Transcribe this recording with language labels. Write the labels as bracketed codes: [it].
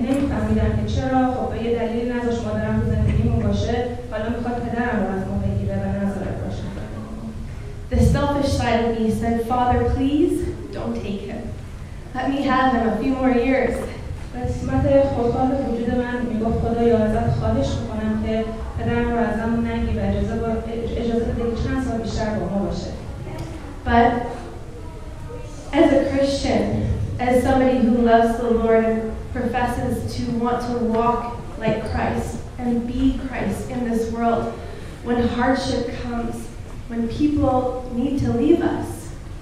[fa] فهمیدم که چرا خب به یه دلیل نذاش مادرم تو زندگیمون باشه حالا میخواد پدرم رو از ما بگیره و نذاره باشه. [en] The selfish side of me said, Father, please, don't take him. Let me have him a few more years. [fa] قسمت خودخواه وجود من میگفت خدایا ازت خواهش میکنم که پدرم رو از همون نگی و اجازه بده که چند سال بیشتر با ما باشه. [en] But as a Christian, as somebody who loves the Lord and professes to want to walk like Christ and be Christ in this world, when hardship comes, when people need to leave us.